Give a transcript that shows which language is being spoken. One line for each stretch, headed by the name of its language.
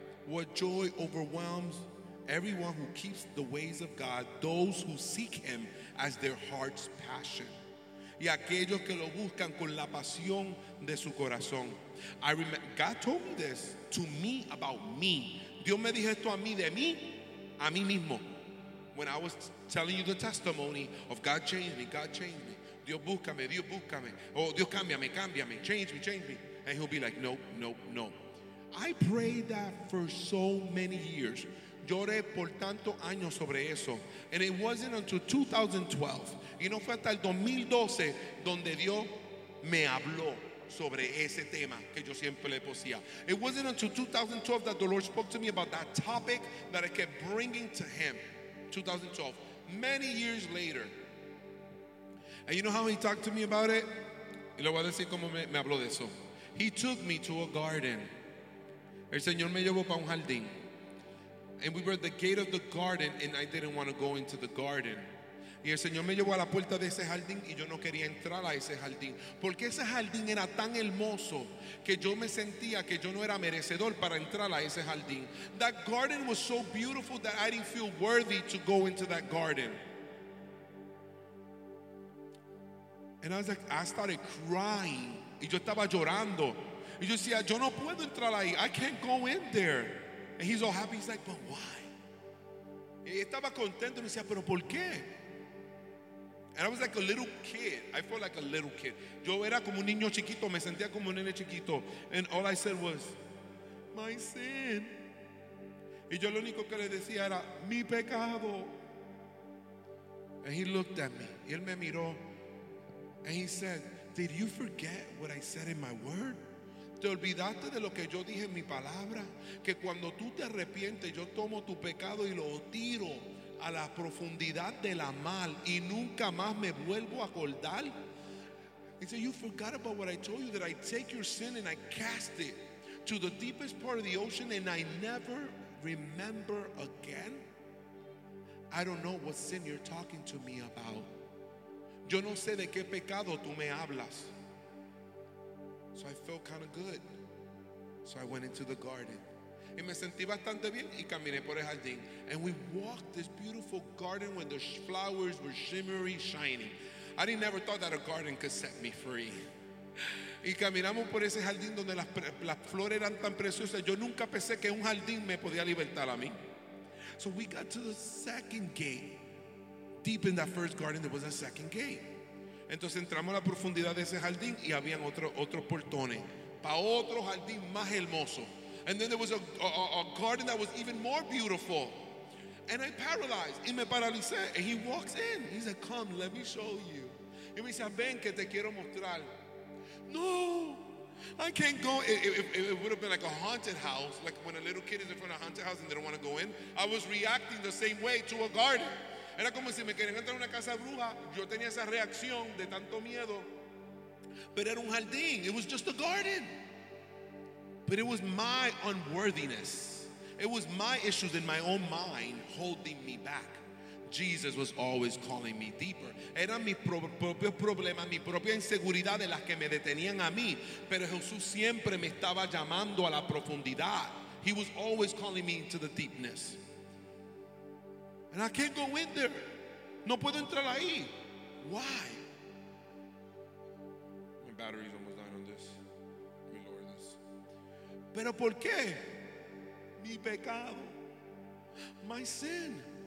English: What joy overwhelms everyone who keeps the ways of God, those who seek Him as their heart's passion,
Spanish: y aquellos que lo buscan con la pasión de su corazón.
English: I remember God told me this to me about me.
Spanish: Dios me dijo esto a mí de mí, a mí mismo.
English: When I was telling you the testimony of God changed me, God changed me.
Spanish: Dios búscame, Dios búscame. Oh, Dios cámbiame, cámbiame.
English: Change me, change me. And He'll be like, no, no, no. I prayed that for so many years.
Spanish: Lloré por tanto años sobre eso.
English: And it wasn't until 2012.
Spanish: Y no fue hasta el 2012 donde Dios me habló sobre ese tema que yo siempre le posía.
English: It wasn't until 2012 that the Lord spoke to me about that topic that I kept bringing to Him. 2012, many years later. And you know how He talked to me about it?
Spanish: Y le voy a decir cómo me habló de eso.
English: He took me to a garden.
Spanish: El Señor me llevó para un jardín.
English: And we were at the gate of the garden, and I didn't want to go into the garden.
Spanish: Y el Señor me llevó a la puerta de ese jardín y yo no quería entrar a ese jardín. Porque ese jardín era tan hermoso que yo me sentía que yo no era merecedor para entrar a ese jardín.
English: That garden was so beautiful that I didn't feel worthy to go into that garden. And I was like, I started crying.
Spanish: Y yo estaba llorando. Y yo decía, yo no puedo entrar ahí.
English: I can't go in there. And he's all happy. He's like, but why?
Spanish: Y estaba contento. Y decía, pero ¿por qué?
English: And I was like a little kid. I felt like a little kid.
Spanish: Yo era como un niño chiquito. Me sentía como un nene chiquito.
English: And all I said was, my sin.
Spanish: Y yo lo único que le decía era, mi pecado.
English: And he looked at me.
Spanish: Y él me miró.
English: And he said, did you forget what I said in my word?
Spanish: ¿Te olvidaste de lo que yo dije en mi palabra? Que cuando tú te arrepientes, yo tomo tu pecado y lo tiro a la profundidad de la mal y nunca más me vuelvo a acordar.
English: He said, you forgot about what I told you, that I take your sin and I cast it to the deepest part of the ocean and I never remember again. I don't know what sin you're talking to me about.
Spanish: Yo no sé de qué pecado tú me hablas.
English: So I felt kind of good. So I went into the garden.
Spanish: Y me sentí bastante bien y caminé por el jardín.
English: And we walked this beautiful garden when the flowers were shimmery, shiny. I didn't ever thought that a garden could set me free.
Spanish: Y caminamos por ese jardín donde las flores eran tan preciosas. Yo nunca pensé que un jardín me podía libertar a mí.
English: So we got to the second gate. Deep in that first garden, there was a second gate.
Spanish: Entonces entramos a la profundidad de ese jardín y habían otros portones para otro jardín más hermoso.
English: And then there was a garden that was even more beautiful. And I paralyzed.
Spanish: Y me paralicé.
English: And he walks in. He said, come, let me show you.
Spanish: Y me dice, ven que te quiero mostrar.
English: No, I can't go. It would have been like a haunted house, like when a little kid is in front of a haunted house and they don't want to go in. I was reacting the same way to a garden.
Spanish: Era como si me querían entrar a una casa bruja. Yo tenía esa reacción de tanto miedo. Pero era un jardín.
English: It was just a garden. But it was my unworthiness. It was my issues in my own mind holding me back. Jesus was always calling me deeper.
Spanish: Eran mis propios problemas, mi propia inseguridad de las que me detenían a mí. Pero Jesús siempre me estaba llamando a la profundidad.
English: He was always calling me into the deepness. And I can't go in there.
Spanish: No puedo entrar ahí.
English: Why? My battery's almost dying on this. Let me lower this.
Spanish: Pero ¿por qué? Mi pecado.
English: My sin.